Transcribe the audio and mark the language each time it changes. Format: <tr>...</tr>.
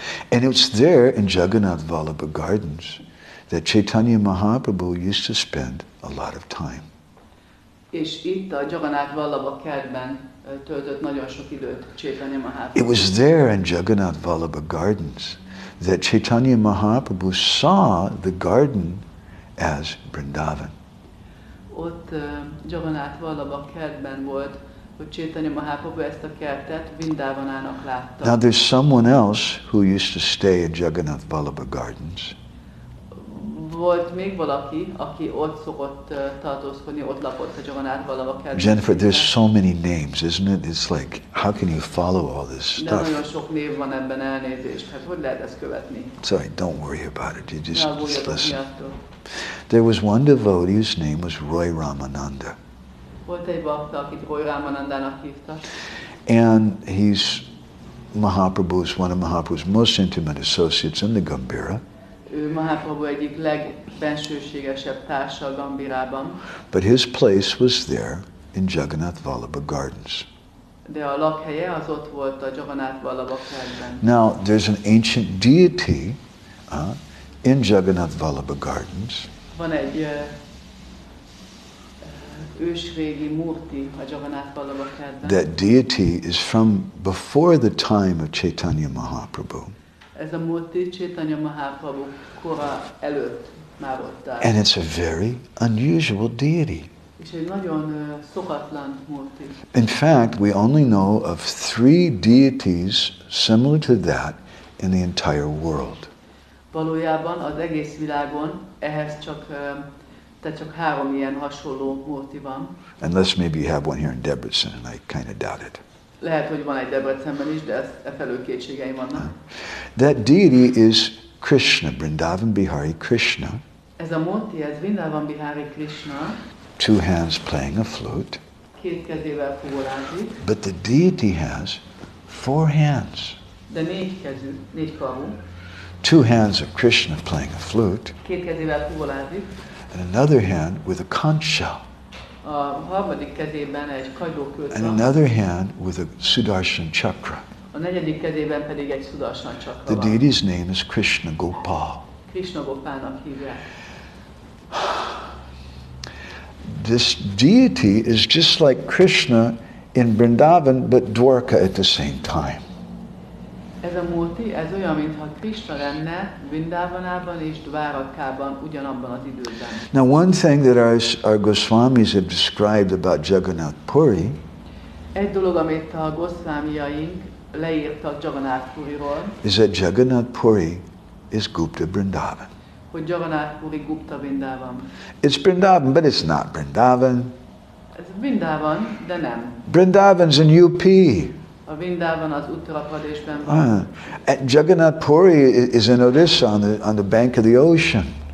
<en>And it's there in Jagannath Vallabha Gardens that Chaitanya Mahaprabhu used to spend a lot of time.</en> <hu>És itt a Jagannath Vallabha kertben töltött nagyon sok időt Chaitanya Mahaprabhu.</hu> <en>It was there in Jagannath Vallabha Gardens that Chaitanya Mahaprabhu saw the garden as Vrindavan.</en> <hu>Ott Jagannath Vallabha kertben volt, hogy Chaitanya Mahaprabhu ezt a kertet Vrindavanának látta.</hu> <en>Now there's someone else who used to stay in Jagannath Vallabha Gardens.</en> <hu>Volt még valaki, aki ott szokott tartózkodni, ott lakott a Jagannath Vallabha kertben.</hu> <en>Jennifer, there's so many names, isn't it? It's like, how can you follow all this stuff?</en> <hu>De nagyon sok név van ebben, elnézést, hát hogy lehet ezt követni?</hu> <en>Sorry, don't worry about it, you just listen. There was one devotee whose name was Roy Ramananda.</en> <hu>Volt egy bakta, akit Roy Ramanandának hívtak.</hu> <en>And he's Mahaprabhu, is one of Mahaprabhu's most intimate associates in the Gambira.</en> <hu>Ő Mahaprabhu egyik legbensőségesebb társa Gambirában.</hu> <en>But his place was there in Jagannath Vallabha Gardens.</en> <hu>De a lakhelye az ott volt a Jagannath Vallabha kertben.</hu> <en>Now there's an ancient deity in Jagannath Vallabha Gardens.</en> <hu>Van egy ősrégi murti a Jagannath Vallabha kertben.</hu> <en>That deity is from before the time of Chaitanya Mahaprabhu.</en> <hu>Ez a murti Chaitanya Mahaprabhu kora előtt már ott áll.</hu> <en>And it's a very unusual deity.</en> <hu>És egy nagyon szokatlan murti.</hu> <en>In fact, we only know of three deities similar to that in the entire world.</en> <hu>Valójában az egész világon ehhez csak csak három ilyen hasonló murti van.</hu> <en>Unless maybe you have one here in Debrecen, and I kind of doubt it.</en> <hu>Lehet, hogy van egy Debrecenben is, de ez e felől kétségeim vannak.</hu> <en>That deity is Krishna, Vrindavan Bihari Krishna.</en> <hu>Ez a murti, ez Vrindavan Bihari Krishna.</hu> <en>Two hands playing a flute.</en> <hu>Két kezével fogolázik.</hu> <en>But the deity has four hands.</en> <hu>De négy kezű, négy karú.</hu> <en>Two hands of Krishna playing a flute.</en> <hu>Két kezével fogolázik.</hu> <en>And another hand with a conch shell.</en> <hu>A harmadik kezében egy kagylókőt van.</hu> <en>And another hand with a Sudarshan chakra.</en> <hu>A negyedik kezében pedig egy sudarsan csakra van.</hu> <en>The deity's name is Krishna Gopal.</en> <hu>Krishna Gopának hívják.</hu> <en>This deity is just like Krishna in Vrindavan, but Dwarka at the same time.</en> <hu>Ez a múlti, ez olyan, mintha Krishna lenne Vrindavanában és Dvárakában ugyanabban az időben.</hu> <en>Now one thing that our Goswamis have described about Jagannath Puri.</en> <hu>Egy dolog, amit a Goswamiaink leírtak Jagannath Puriról.</hu> <en>Is that Jagannath Puri is Gupta Vrindavan.</en> <hu>Hogy Jagannath Puri Gupta Vrindavan.</hu> <en>It's Vrindavan, but it's not Vrindavan.</en> <hu>Ez Vrindavan, de nem.</hu> <en>Vrindavan's in UP.</en> <hu>A Vrindavan az Uttara Pradeshben van.</hu> <en>Jagannath Puri is in Odisha, on the bank of the ocean.</en>